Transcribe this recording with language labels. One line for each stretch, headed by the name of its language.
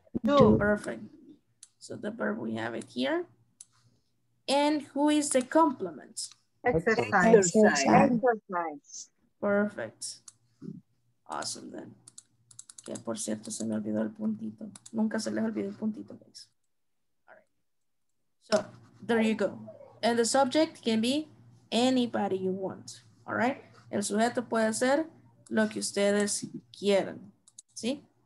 English: Perfect. So the verb, we have it here. And who is the complement? Exercise. Perfect. Awesome then.
Spanish: Que por cierto, se me olvidó el puntito. Nunca se les olvidó el puntito, guys.
English: All right. So there you go. And the subject can be anybody you want. All right.
Spanish: El sujeto puede ser lo que ustedes quieran, ¿sí?